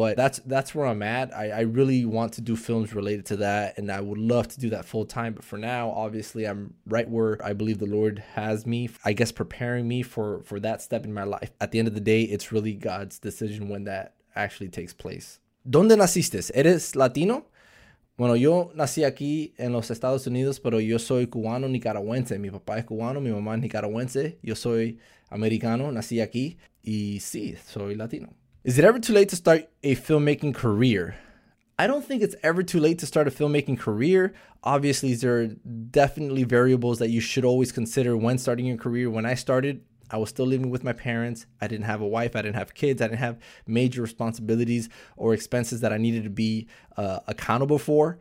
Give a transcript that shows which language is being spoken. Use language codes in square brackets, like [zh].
[en] But that's where I'm at. I really want to do films related to that, and I would love to do that full time. But for now, obviously, I'm right where I believe the Lord has me, I guess, preparing me for that step in my life. At the end of the day, it's really God's decision when that actually takes place. [es] ¿Dónde naciste? ¿Eres Latino? Bueno, yo nací aquí en los Estados Unidos, pero yo soy cubano nicaragüense. Mi papá es cubano, mi mamá es nicaragüense. Yo soy americano, nací aquí, y sí, soy latino. [en] Is it ever too late to start a filmmaking career? I don't think it's ever too late to start a filmmaking career. Obviously, there are definitely variables that you should always consider when starting your career. When I started, I was still living with my parents. I didn't have a wife. I didn't have kids. I didn't have major responsibilities or expenses that I needed to be accountable for.